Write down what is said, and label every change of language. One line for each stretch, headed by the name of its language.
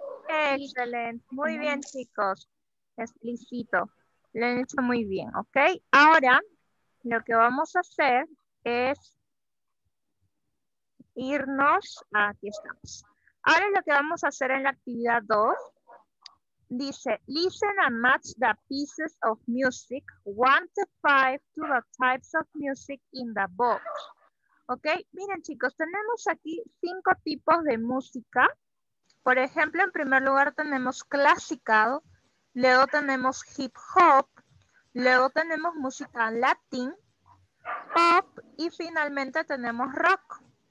English: Excellent.
Spanish: Muy bien, chicos. Explícito. Lo han hecho muy bien, ¿ok? Ahora, lo que vamos a hacer es irnos, aquí estamos. Ahora lo que vamos a hacer en la actividad 2, Dice,
English: listen and match the pieces of music 1 to 5 to the types of music in the box.
Spanish: Ok, miren chicos, tenemos aquí 5 tipos de música. Por ejemplo, en primer lugar tenemos classical, luego tenemos hip hop, luego tenemos música latín, pop y finalmente tenemos rock.